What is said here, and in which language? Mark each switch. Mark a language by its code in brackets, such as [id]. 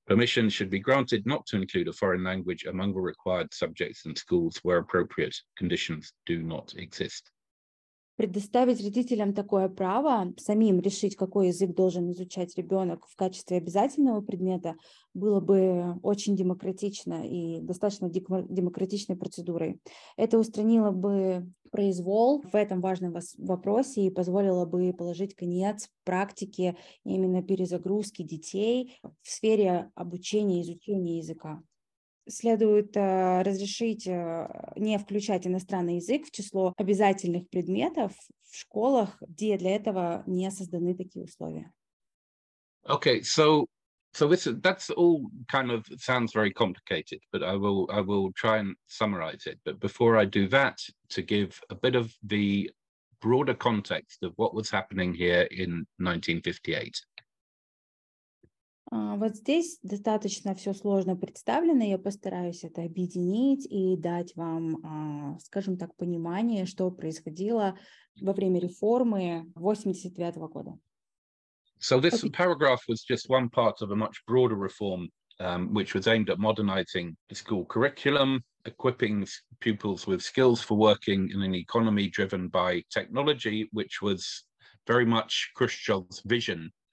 [en] Permission should be granted not to include a foreign language among the required subjects in schools where appropriate conditions do not exist. [ru] Предоставить родителям такое право самим решить, какой язык должен изучать ребенок в качестве обязательного предмета, было бы очень демократично и достаточно демократичной процедурой. Это устранило бы произвол в этом важном вопросе и позволило бы положить конец практике именно перезагрузки детей в сфере обучения и изучения языка. Следует разрешить не включать иностранный язык в число обязательных предметов в школах, где для этого не созданы такие условия. [en] Okay, so that's all kind of sounds very complicated, but I will try and summarize it. But before I do that, to give a bit of the broader context of what was happening here in 1958. [ru] Вот здесь достаточно все сложно представлено, я постараюсь это объединить и дать вам, скажем так, понимание, что происходило во время реформы 1985 года. [en] So this paragraph was just one part of a much broader reform, which was aimed at modernizing the school curriculum, equipping pupils with skills for working in an economy driven by technology, which was very much Khrushchev's vision.